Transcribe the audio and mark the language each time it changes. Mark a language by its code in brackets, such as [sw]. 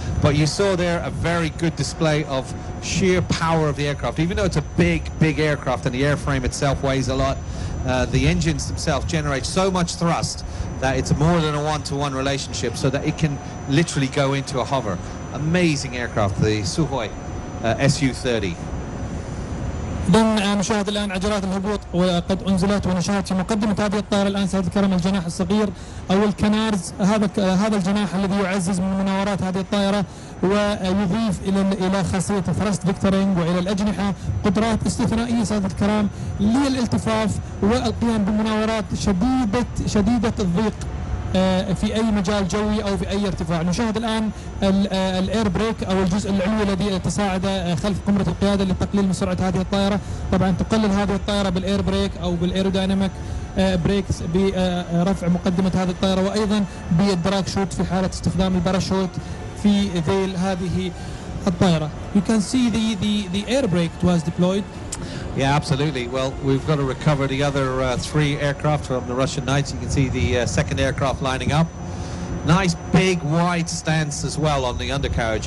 [en] But you saw there a very good display of sheer power of the aircraft. Even though it's a big, big aircraft and the airframe itself weighs a lot, the engines themselves generate so much thrust that it's more than a one-to-one relationship, so that it can literally go into a hover. Amazing aircraft, the Sukhoi Su-30. [ar] إذن نشاهد الآن عجلات الهبوط وقد أنزلت، ونشاهد في مقدمة هذه الطائرة الآن سيد الكرم الجناح الصغير أو الكنارز، هذا الجناح الذي يعزز من مناورات هذه الطائرة ويضيف إلى خاصية ثرست فيكتورينج وإلى الأجنحة قدرات استثنائية سيد الكرام للالتفاف والقيام بمناورات شديدة الضيق في أي مجال جوي أو في أي ارتفاع. نشاهد الآن الاير بريك أو الجزء العلوي الذي تساعد خلف قمرة القيادة لتقليل من سرعة هذه الطائرة. طبعا تقلل هذه الطائرة بالاير بريك أو بالايروديناميك بريكس برفع مقدمة هذه الطائرة، وأيضا بالدراك شوت في حالة استخدام الباراشوت في ذيل هذه الطائرة. [en] You can see the air brake was deployed. Yeah, absolutely. Well, we've got to recover the other three aircraft from the Russian Knights. You can see the second aircraft lining up. Nice big wide stance as well on the undercarriage.